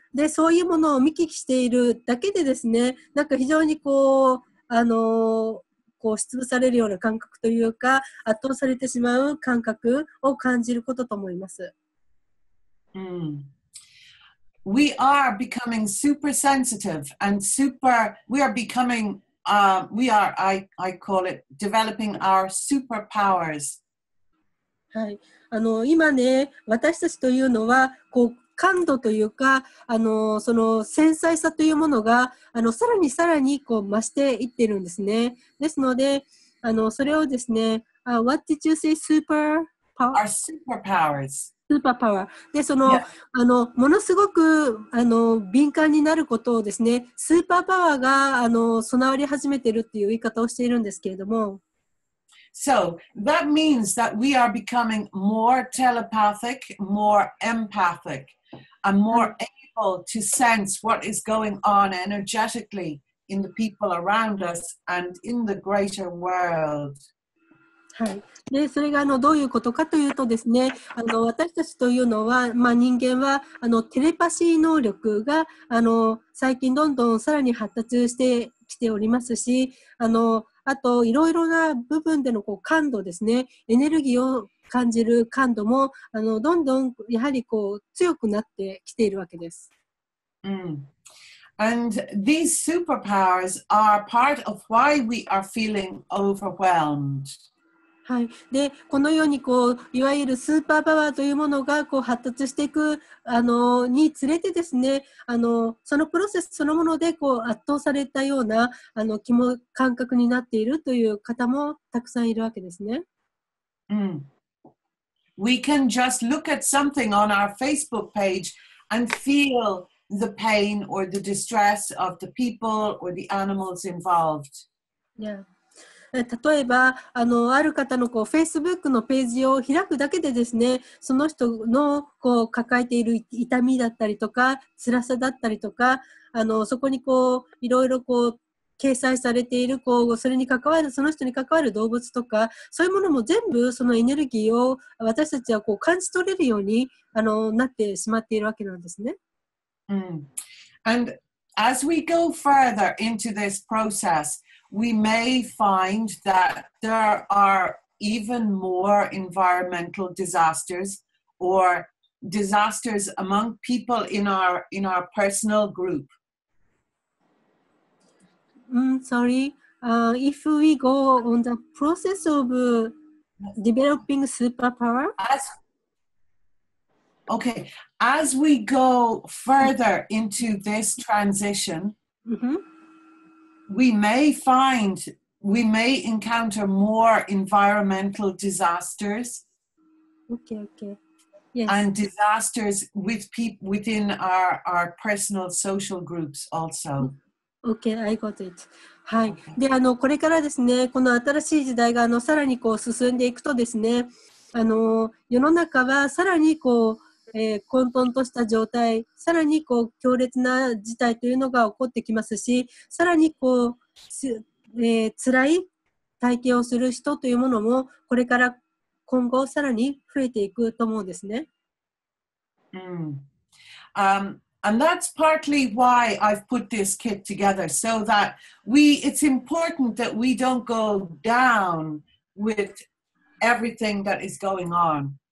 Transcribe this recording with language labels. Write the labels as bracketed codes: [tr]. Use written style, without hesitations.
[ja] で、そういうものを見聞きしているだけでですね、なんか非常にこう押しつぶされるような感覚というか、圧倒されてしまう感覚を感じることと思います。 [en] We are becoming super sensitive and super, we are becoming, I call it developing our superpowers. [ja] はい。今ね、私たちというのは、こう、感度というか、その繊細さというものが、さらにさらにこう増していってるんですね。ですので、それをですね、 [en] What did you say? Superpower? Our superpowers. Superpower. [ja] で、その、 [en] yeah. [ja] ものすごく、敏感になることをですね、スーパーパワーが、備わり始めてるっていう言い方をしているんですけれども。 [en] So, that means that we are becoming more telepathic, more empathic, and more able to sense what is going on energetically in the people around us and in the greater world. [ja] はい、でそれがどういうことかというとですね、私たちというのは、まあ、人間はテレパシー能力が最近どんどんさらに発達してきておりますし、あといろいろな部分でのこう感度ですね、エネルギーを感じる感度もどんどんやはりこう強くなってきているわけです。 [en] うん、And these superpowers are part of why we are feeling overwhelmed. [ja] はい、でこのようにこういわゆるスーパーパワーというものがこう発達していくにつれてですね、そのプロセスそのものでこう圧倒されたような感覚になっているという方もたくさんいるわけですね。うん。 [en] We can just look at something on our Facebook page and feel the pain or the distress of the people or the animals involved. Yeah. [ja] 例えばある方のこう Facebook のページを開くだけでですね、その人のこう抱えている痛みだったりとか辛さだったりとか、そこにこういろいろこう掲載されているこうそれに関わるその人に関わる動物とかそういうものも全部そのエネルギーを私たちはこう感じ取れるようになってしまっているわけなんですね。うん。 [en] And as we go further into this process,We may find that there are even more environmental disasters or disasters among people in our personal group. If we go on the process of developing superpower. As we go further into this transition,We may encounter more environmental disasters. Okay. Yes. And disasters within our personal social groups also. Okay, I got it. はい。 [ja] で、これからですね、この新しい時代がさらにこう進んでいくとですね、世の中はさらにこう、混沌とした状態、さらにこう強烈な事態というのが起こってきますし、さらにこう、辛い体験をする人というものもこれから今後さらに増えていくと思うんですね。 [en] And that's partly why I've put this kit together, so that it's important that we don't go down with everything that is going on.